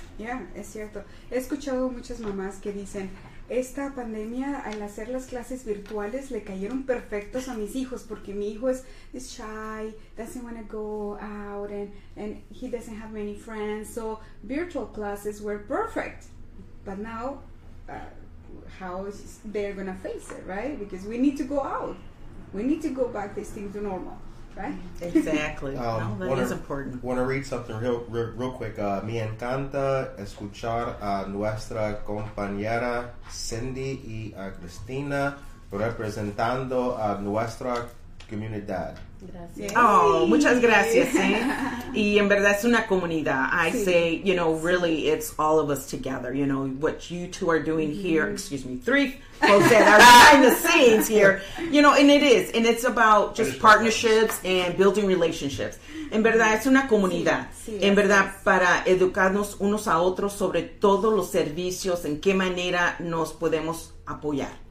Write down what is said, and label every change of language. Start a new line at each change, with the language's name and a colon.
Spanish: Yeah, es cierto. He escuchado muchas mamás que dicen, esta pandemia, al hacer las clases virtuales, le cayeron perfectos a mis hijos, porque mi hijo es
English: shy, doesn't want to go out, and he doesn't have many friends, so virtual classes were perfect. But now, how is they're going to face it, right? Because we need to go out. We need to go back these things to normal, right? Exactly. that is important. Want to read something real quick.
Spanish: Me encanta escuchar a nuestra compañera Cindy y a Cristina representando a nuestra comunidad. Gracias. Oh, muchas gracias, ¿eh? Y en verdad es una comunidad. I sí.
English: say, you know, really, it's all of us together. You know, what you two are doing mm-hmm. here, excuse me, three folks that are behind the scenes here, you know, and it is. And it's about just partnerships and building relationships.
Spanish: En verdad es una comunidad. Sí, sí, en verdad, es. Para educarnos unos a otros sobre todos los servicios, en qué manera nos podemos apoyar.